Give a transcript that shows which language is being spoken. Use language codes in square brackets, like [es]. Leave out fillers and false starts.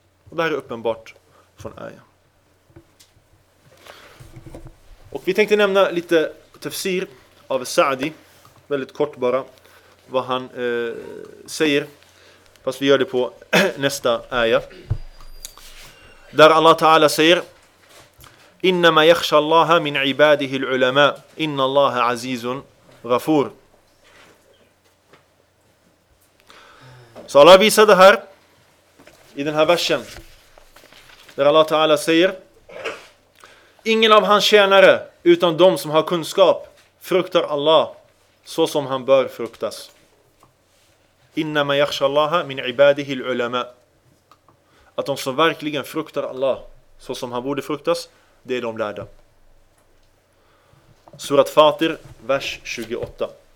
[sv] Och det här är uppenbart från ayah. Och vi tänkte nämna lite tafsir av Sa'di. Väldigt kort bara vad han säger. Fast vi gör det på nästa ayah. Där Allah Ta'ala säger: [ar] إنما يخشى الله من عباده العلماء إن الله عزيز غفور. [sv] Så Allah visade här i den här versen där Allah Ta'ala säger: ingen av hans tjänare utan de som har kunskap fruktar Allah så som han bör fruktas. [ar] إنما يخشى الله من عباده العلماء. [sv] Att de som verkligen fruktar Allah så som han borde fruktas, det är de lärda. Surat Fatir, vers 28.